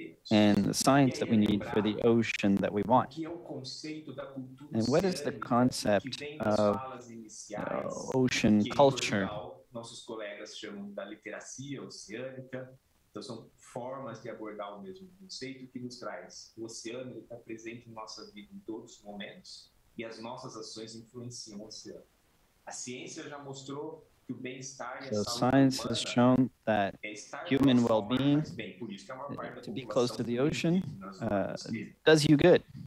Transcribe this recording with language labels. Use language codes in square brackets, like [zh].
[en] And the science that we need for the ocean that we want. And what is the concept of ocean culture? [pt] Nossos colegas chamam da literacia oceânica. Então, são formas de abordar o mesmo conceito que nos traz. O oceano está presente em nossa vida em todos os momentos e as nossas ações influenciam o oceano. A ciência já mostrou que o bem-estar e a saúde humana... [en] So, science has shown that human well-being, to be close to the ocean, does you good.